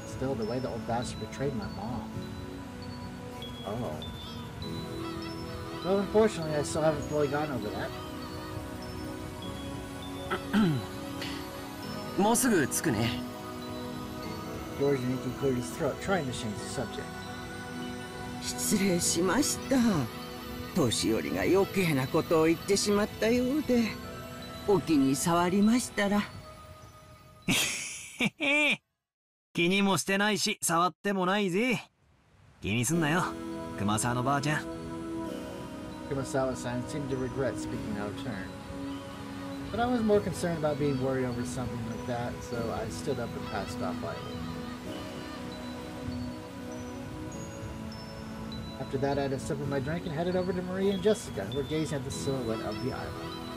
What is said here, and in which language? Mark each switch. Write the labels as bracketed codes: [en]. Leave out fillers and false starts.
[en] Still, the way the old bastard betrayed my mom. Oh. Well, unfortunately, I still haven't fully gotten over that. [ja] もうすぐ着くね。 [en] George and Nikki cleared his throat, trying to change the subject. [ja] 失礼しました。年寄りが余計なことを言ってしまったようで、お気に障りましたら。気にもしてないし、触ってもないぜ。気にすんなよ、熊沢のばあちゃん。 [en] Kumasawa-san seemed to regret speaking out of turn. But I was more concerned about being worried over something like that, so I stood up and passed off lightly. After that, I had a sip of my drink and headed over to Maria and Jessica, who were gazing at the silhouette of the island.